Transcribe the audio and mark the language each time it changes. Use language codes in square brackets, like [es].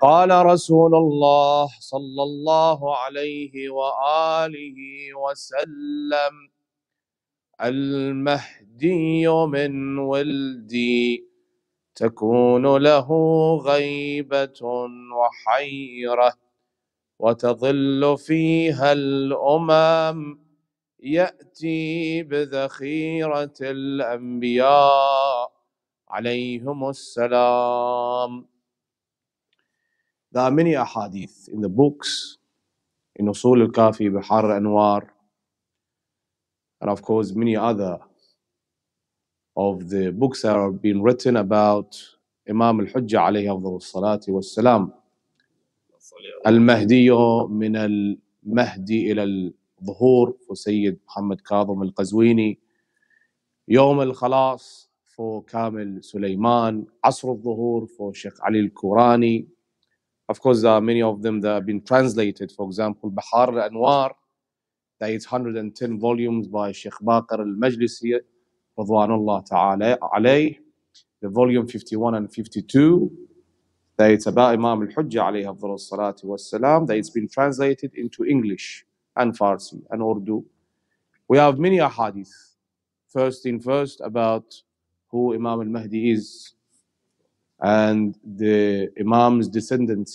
[ar] قال رسول الله صلى الله عليه وآله وسلم: المهدي من ولدي تكون له غيبة وحيرة وتظل فيها الأمم يأتي بذخيرة الأنبياء عليهم السلام. [en] There are many ahadith in the books, in Usul al-Kafi, Bihar al-Anwar, and of course many other of the books that have been written about Imam al-Hujjah alayhi afdhalu salati wa salam. [ar] المهدي من المهدي إلى الظهور وسيد محمد كاظم القزويني يوم الخلاص فو كامل سليمان عصر الظهور فو شيخ علي الكوراني. [en] Of course there are many of them that have been translated. For example, بحار الأنوار, that is 110 volumes by شيخ باقر المجلسي رضوان الله تعالى عليه. The volume 51 and 52, that it's about Imam al-Hujjah alayhi afdhalu salati wa salam, that it's been translated into English and Farsi and Urdu. We have many ahadith, first thing first, about who Imam al-Mahdi is and the Imam's descendants.